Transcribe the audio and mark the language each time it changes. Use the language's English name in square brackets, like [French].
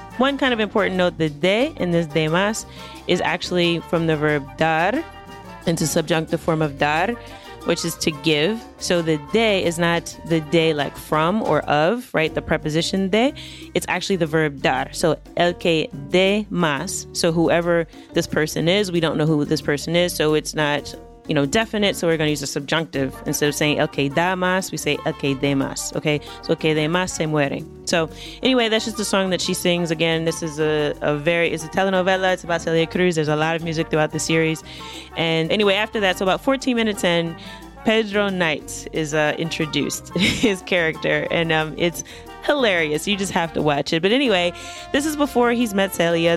[English] One kind of important note, the de in this de más is actually from the verb dar. It's a subjunctive form of dar, which is to give. So the de is not the de like from or of, right? The preposition de. It's actually the verb dar. So [Spanish] el que de más. [English] So whoever this person is, we don't know who this person is. So it's not, you know, definite. So we're going to use a subjunctive. Instead of saying [Spanish] el que da más, [English] we say [Spanish] el que de más. [English] Okay. So [Spanish] el que de más se muere. [English] So anyway, that's just the song that she sings. Again, this is it's a telenovela. It's about Celia Cruz. There's a lot of music throughout the series. And anyway, after that, so about 14 minutes in, Pedro Knight is introduced, his character. And it's hilarious. You just have to watch it. But anyway, this is before he's met Celia.